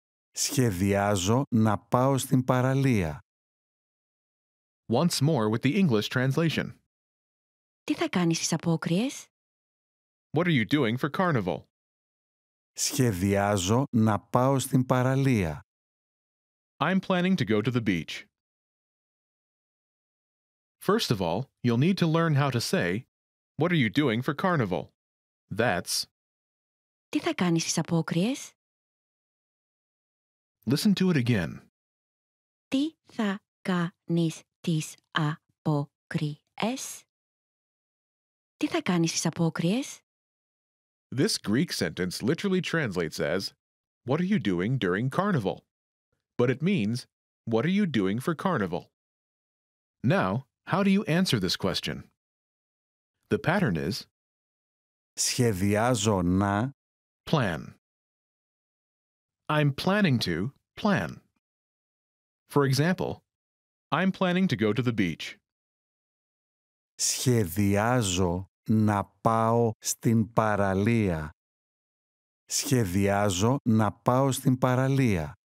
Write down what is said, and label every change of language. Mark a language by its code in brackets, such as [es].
[el] Σχεδιάζω να πάω στην παραλία. [en] Once more with the English translation. [el] Τι θα κάνεις στις απόκριες? [en] What are you doing for carnival? [el] Σχεδιάζω να πάω στην παραλία. [en] I'm planning to go to the beach. First of all, you'll need to learn how to say, "What are you doing for carnival?" That's. [el] Τι θα κάνεις στις απόκριες? [en] Listen to it again. [el] Τι θα κάνεις στις απόκριες? Τι θα κάνεις στις απόκριες? [en] This Greek sentence literally translates as, "What are you doing during carnival?" But it means, "What are you doing for carnival?" Now, how do you answer this question? The pattern is, [el] Σχεδιάζω να [en] plan. I'm planning to plan. For example, I'm planning to go to the beach. [el] Σχεδιάζω να πάω στην παραλία. Σχεδιάζω να πάω στην παραλία.